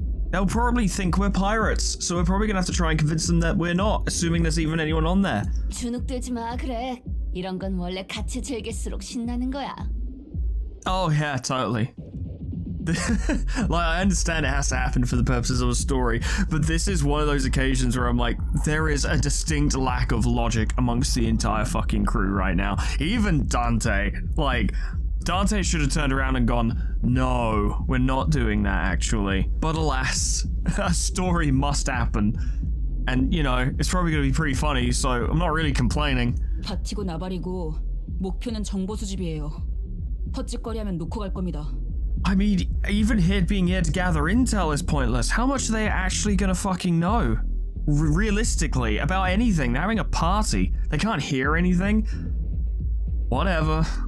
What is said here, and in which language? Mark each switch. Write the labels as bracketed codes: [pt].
[en] They'll probably think we're pirates, so we're probably gonna have to try and convince them that we're not, assuming there's even anyone on there. [ko] 주눅들지 마, 그래. 이런 건 원래 같이 즐길수록 신나는 거야. [en] Oh yeah, totally. Like, I understand it has to happen for the purposes of a story, but this is one of those occasions where I'm like, there is a distinct lack of logic amongst the entire fucking crew right now. Even Dante. Like, Dante should have turned around and gone, no, we're not doing that, actually. But alas, a story must happen. And, you know, it's probably going to be pretty funny, so I'm not really complaining. [ko] 다치고 나발이고, 목표는 정보 수집이에요. 헛짓거리하면 놓고 갈 겁니다. [en] I mean, even here being here to gather intel is pointless. How much are they actually gonna fucking know? Realistically, about anything. They're having a party. They can't hear anything. Whatever.